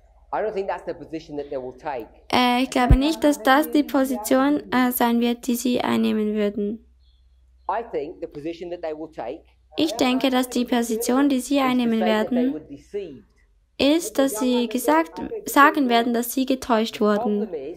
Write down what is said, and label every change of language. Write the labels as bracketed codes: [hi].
[de] Ich glaube nicht, dass das die Position sein wird, die sie einnehmen würden. [en] I think the position that they will take, [de] ich denke, dass die Position, die sie einnehmen werden, ist, dass sie sagen werden, dass sie getäuscht wurden.